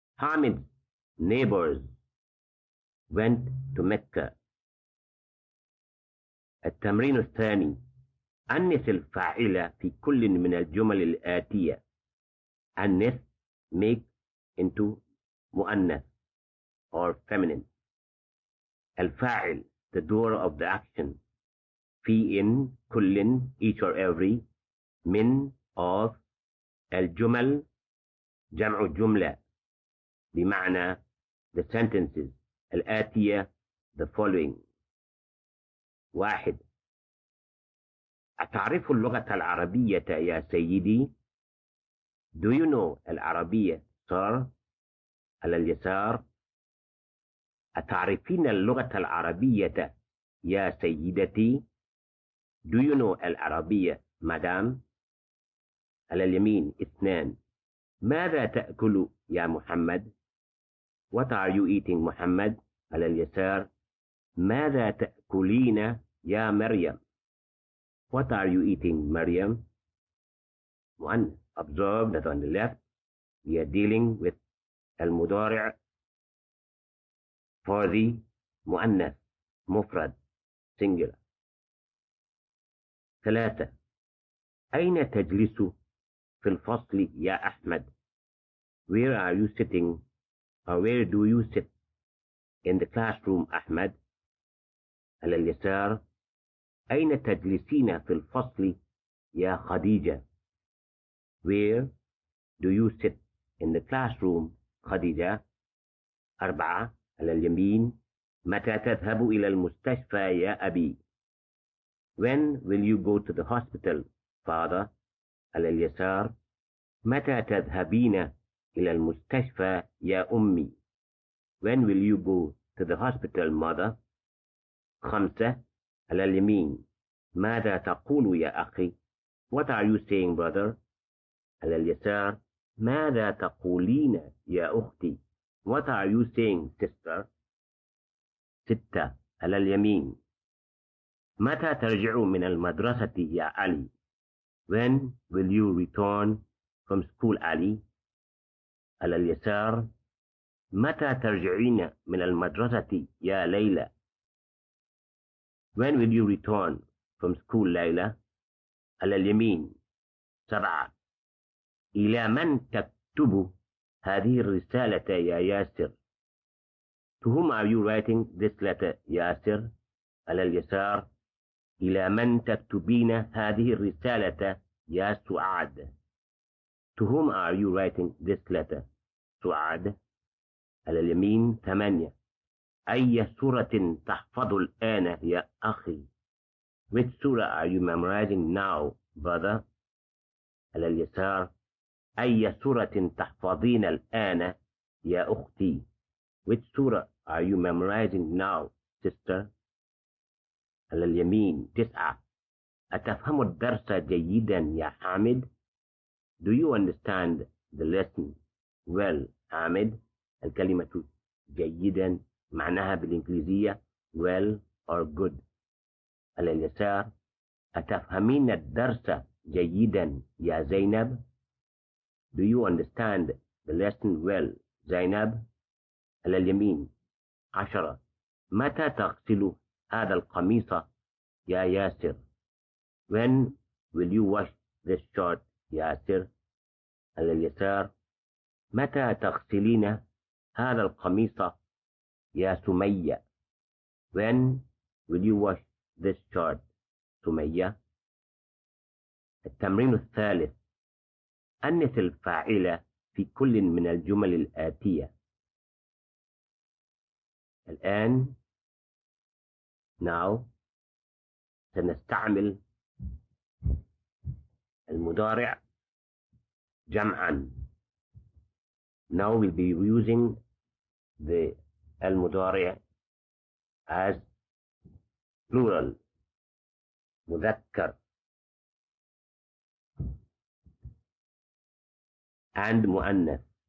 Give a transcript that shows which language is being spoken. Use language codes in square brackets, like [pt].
[en] Hamid's neighbors went to Mecca. [ar] التمرين الثاني. أنث الفاعل في كل من الجمل الآتية. [en] أنث make into مؤنث or feminine. الفاعل the doer of the action. [ar] في إن كل [en] each or every [ar] من of الجمل جمع جملة بمعنى [en] the sentences [ar] الآتية [en] the following. 1. [ar] أتعرف اللغة العربية يا سيدي؟ [en] Do you know [ar] العربية [en] sir؟ [ar] على اليسار. أتعرفين اللغة العربية يا سيدتي؟ [en] Do you know [ar] العربية [en] madam؟ [ar] على اليمين. 2. ماذا تأكل يا محمد؟ [en] What are you eating [ar] محمد؟ على اليسار. ماذا تأكلين يا مريم؟ [en] What are you eating [ar] مريم؟ 1. [en] Observe that on the left we are dealing with المضارع for the [ar] مؤنث مفرد [en] singular. 3. [ar] أين تجلس في الفصل يا أحمد؟ [en] Where are you sitting or where do you sit in the classroom أحمد؟ [ar] على اليسار. أين تجلسين في الفصل يا خديجة؟ [en] Where do you sit in the classroom [ar] خديجة؟ 4. على اليمين. متى تذهب إلى المستشفى يا أبي؟ [en] When will you go to the hospital father؟ [ar] على اليسار. متى تذهبين إلى المستشفى يا أمي؟ [en] When will you go to the hospital mother؟ 5. [ar] على اليمين. ماذا تقول يا أخي؟ [en] What are you saying brother؟ [ar] على اليسار. ماذا تقولين يا أختي؟ [en] What are you saying sister؟ [ar] 6. على اليمين. متى ترجع من المدرسة يا علي؟ [en] When will you return from school [ar] علي؟ على اليسار. متى ترجعين من المدرسة يا ليلى؟ [en] When will you return from school, Layla? [ar] على اليمين. 7. إلى من تكتب هذه الرسالة يا ياسر؟ [en] To whom are you writing this letter, [ar] ياسر؟ على اليسار. إلى من تكتبين هذه الرسالة يا سعاد؟ [en] To whom are you writing this letter, [ar] سعاد؟ على اليمين. 8. أي سورة تحفظ الآن يا أخي؟ [en] Which surah are you memorizing now, brother? [ar] على اليسار. أي سورة تحفظين الآن يا أختي؟ [en] Which surah are you memorizing now, sister? [ar] على اليمين. 9. أتفهم الدرس جيدا يا حامد؟ [en] Do you understand the lesson well, [ar] حامد؟ الكلمة جيدا معناها بالإنجليزية [en] well or good. [ar] على اليسار. أتفهمين الدرس جيدا يا زينب؟ [en] Do you understand the lesson well, [ar] زينب؟ على اليمين. 10. متى تغسل هذا القميص يا ياسر؟ [en] When will you wash this shirt, [ar] ياسر؟ على اليسار. متى تغسلين هذا القميص يا سمية. [en] When will you wash this shirt, سمية؟ [ar] التمرين الثالث. أنث الفاعلة في كل من الجمل الآتية. الآن [en] now [ar] سنستعمل المضارع جمعا. [en] Now we'll be using the المضارع as plural, مذكر and مؤنث.